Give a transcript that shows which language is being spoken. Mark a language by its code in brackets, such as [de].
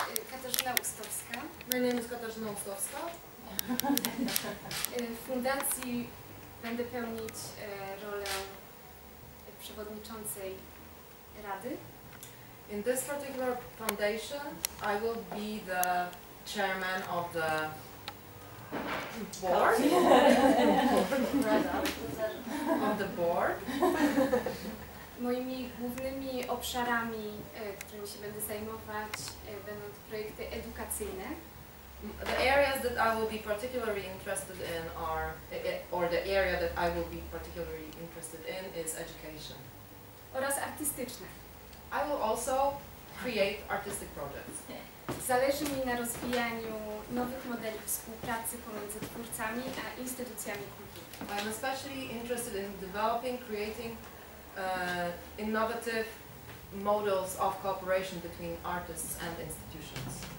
[pl] Katarzyna Ustowska. Moje imię jest Katarzyna Ustowska. W fundacji będę pełnić rolę przewodniczącej rady. [en] In this particular foundation, I will be the chairman of the board. of the board. [pl] Moimi głównymi obszarami, którymi się będę zajmować, będą projekty edukacyjne. [en] The areas that I will be particularly interested in are, or the area that I will be particularly interested in is education. [pl] Oraz artystyczne. [en] I will also create artistic projects. [pl] Zależy mi na rozwijaniu nowych modeli współpracy pomiędzy twórcami a instytucjami kultury. [en] I am especially interested in developing, creating innovative models of cooperation between artists and institutions.